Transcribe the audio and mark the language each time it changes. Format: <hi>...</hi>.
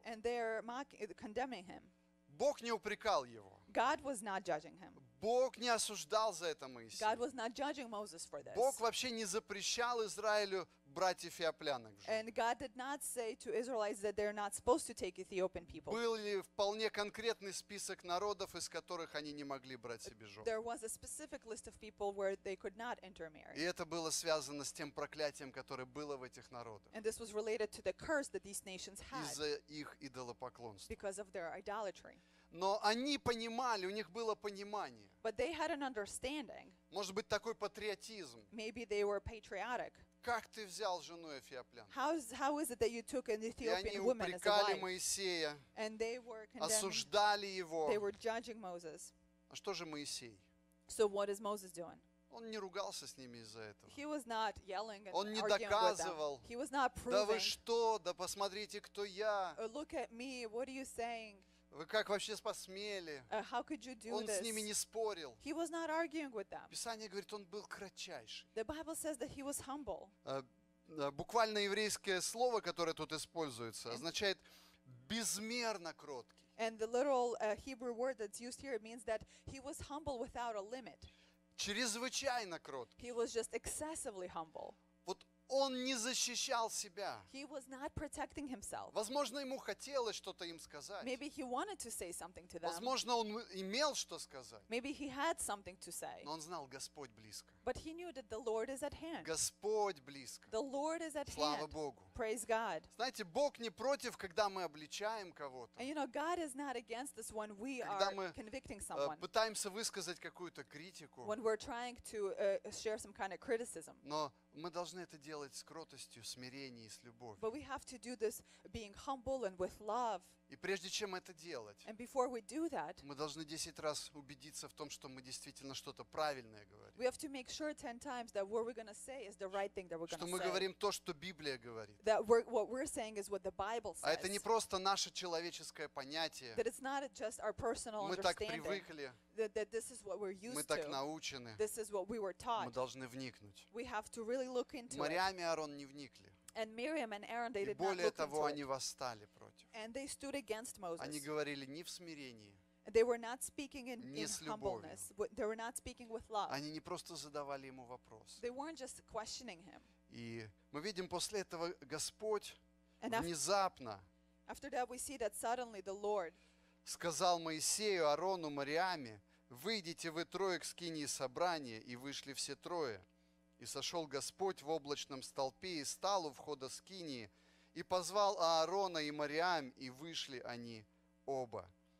<en>And they are condemning him.</en> <ru>Бог не упрекал его.</ru> <en>God was not judging him.</en> <ru>Бог не осуждал за это Моисея.</ru> <en>God was not judging Moses for this.</en> <ru>Бог вообще не запрещал Израилю братьев Иоплянок же.</ru> <en>And God did not say to Israelites that they're not supposed to take Ethiopian people.</en> <ru>Был ли вполне конкретный список народов, из которых они не могли брать себе жен.</ru> <en>There was a specific list of people where they could not intermarry.</en> <ru>И это было связано с тем проклятием, которое было в этих народах.</ru> <en>And this was related to the curse that these nations had.</en> <ru>Из-за их идолопоклонства.</ru> <en>Because of their idolatry.</en> <ru>Но они понимали, у них было понимание.</ru> <en>But they had an understanding.</en> <ru>Может быть, такой патриотизм.</ru> <en>Maybe they were patriotic.</en> <ru>Как ты взял жену Эфиоплянку?</ru> <en>How is it that you took an Ethiopian woman as a</en> <ru>wife? И они упрекали Моисея.</ru> <en>And they were condemning.</en> <ru>Осуждали его.</ru> <en>They were judging Moses.</en> <ru>А что же Моисей?</ru> <en>So what is Moses doing?</en> <ru>Он не ругался с ними из-за этого.</ru> <en>He was not yelling and</en> <ru>он не доказывал.</ru> <en>He was not proving.</en> <ru>Да вы что? Да посмотрите, кто я.</ru> <en>Look at me. What are you saying?</en> <ru>Вы как вообще посмели?</ru> <en>How could you do</en> <ru>он</ru> <en>this?</en> <ru>С ними не спорил.</ru> <en>He was not arguing with them.</en> <ru>Писание говорит, он был кратчайший.</ru> <en>The Bible says that he was humble.</en> <ru>Буквально еврейское слово, которое тут используется, означает безмерно кроткий.</ru> <en>And the literal Hebrew word that's used here means that he was humble without a limit.</en> <ru>Чрезвычайно кроткий.</ru> <en>He was just excessively humble.</en> <ru>Он не защищал себя.</ru> <en>He was not protecting himself.</en> <ru>Возможно, ему хотелось что-то им сказать.</ru> <en>Maybe he wanted to say something to them.</en> <ru>Возможно, он имел что сказать.</ru> <en>Maybe he had something to say.</en> <ru>Но он знал, Господь близко.</ru> <en>But he knew that the Lord is at hand.</en> <ru>Господь близко.</ru> <en>The Lord is at hand.</en> <ru>Слава Богу.</ru> <en>Praise God.</en> <ru>Знаете, Бог не против, когда мы обличаем кого-то.</ru> <en>And you know, God is not against us when we are convicting someone.</en> <ru>Когда мы пытаемся высказать какую-то критику.</ru> <en>When we're trying to share some kind of criticism.</en> <ru>Но мы должны это делать с кротостью, смирением и с любовью.</ru> <en>But we have to do this being humble and with love.</en> <ru>И прежде чем это делать,</ru> <en>and before we do that,</en> <ru>мы должны 10 раз убедиться в том, что мы действительно что-то правильное говорим.</ru> <en>We have to make sure 10 times that what we're going to say is the right thing that we're going to say.</en> <ru>Что мы говорим то, что Библия говорит.</ru> <en>That what we're saying is what the Bible says.</en> <ru>А это не просто наше человеческое понятие.</ru> <en>That it's not just our personal</en> <ru>understanding. Мы так привыкли.</ru> <en>That this is what we're used</en> <ru>to. Мы так научены.</ru> <en>This is what we were taught.</en> <ru>Мы должны вникнуть.</ru> <en>We have to really look into it.</en> <ru>Марьям и Аарон не вникли.</ru> <en>And Miriam and Aaron, they</en> <ru>и</ru> <en>did not look</en> <ru>И более того, они восстали против.</ru> <en>And they stood against Moses.</en> <ru>Они говорили не в смирении.</ru> <en>They were not speaking in humbleness. They were not speaking with love.</en> <ru>Они не просто задавали ему вопрос.</ru> <en>They weren't just questioning him.</en> <ru>И мы видим после этого Господь внезапно.</ru> <en>After that, we see that suddenly the Lord.</en> <ru>Сказал Моисею, Аарону, Мариаме, выйдите вы трое к скинии собрания, и вышли все трое. И сошел Господь в облачном столпе и стал у входа скинии, и позвал Аарона и Мариам, и вышли они оба.</ru>